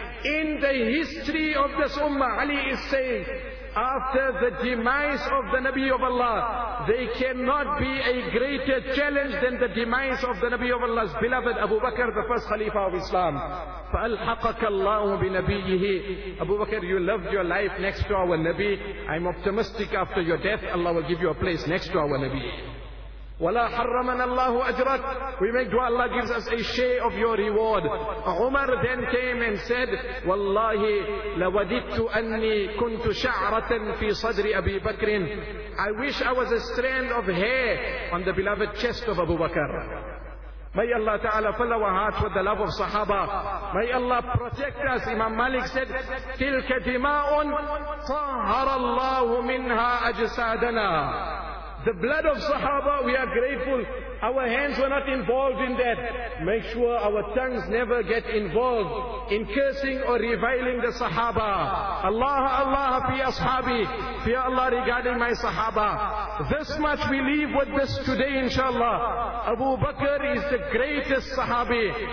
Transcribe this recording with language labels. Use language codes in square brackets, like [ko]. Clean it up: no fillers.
[en] In the history of this ummah, Ali is saying, after the demise of the Nabi of Allah, they cannot be a greater challenge than the demise of the Nabi of Allah's beloved Abu Bakr, the first Khalifa of Islam. [ar] فَأَلْحَقَكَ اللَّهُ بِنَبِيِّهِ. [en] Abu Bakr, you loved your life next to our Nabi. I'm optimistic after your death, Allah will give you a place next to our Nabi. [ar] وَلَا حَرَّمَنَا اللَّهُ أَجْرَكَ. [en] We make dua, Allah gives us a share of your reward. Umar then came and said, [ar] وَاللَّهِ لَوَدِدْتُ أَنِّي كُنْتُ شَعْرَةً فِي صَدْرِ أَبِي بَكْرٍ. [en] I wish I was a strand of hair on the beloved chest of Abu Bakr. May Allah Ta'ala fill our hearts with the love of Sahaba. May Allah protect us. Imam Malik said, [ar] تِلْكَ دِمَاءٌ صَهَرَ اللَّهُ مِنْهَا أَجْسَادَنَا. [en] The blood of Sahaba, we are grateful. Our hands were not involved in that. Make sure our tongues never get involved in cursing or reviling the Sahaba. [ar] Allah, Allah, fi ashabi. [en] Fear Allah regarding my Sahaba. This much we leave with this today, inshallah. Abu Bakr is the greatest Sahabi.